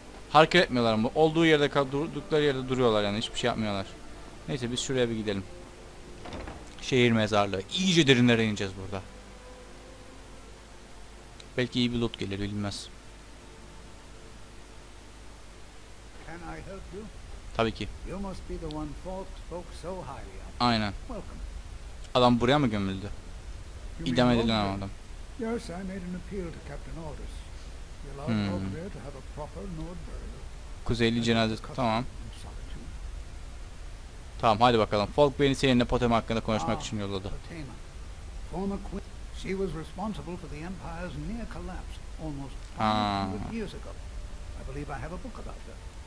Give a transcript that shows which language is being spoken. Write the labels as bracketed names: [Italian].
[Turkish] Hareket etmiyorlar mı? Olduğu yerde durdukları yerde duruyorlar yani. Hiçbir şey yapmıyorlar. Neyse biz şuraya bir gidelim. Şehir mezarlığı. İyice derinlere ineceğiz burada. Belki iyi bir loot gelir bilmez. [English] Can I help you? [Turkish] Tabii ki. [English] You must be the one folk spoke so highly of. [Turkish] Aynen. [English] Welcome. [Turkish] Adam buraya mı gömüldü? İdam edilen adam. [English] Yes, I made an appeal to Captain Aldous. He allowed folk there to have a proper Nord burial. [Turkish] Kuzeyli cenaze. Tamam. Tamam, hadi bakalım. Folk beni seninle Potema hakkında konuşmak için yolladı. [English] Potema. Former queen. She was responsible for the empire's near collapse almost 100 years ago. I believe I have a book about that.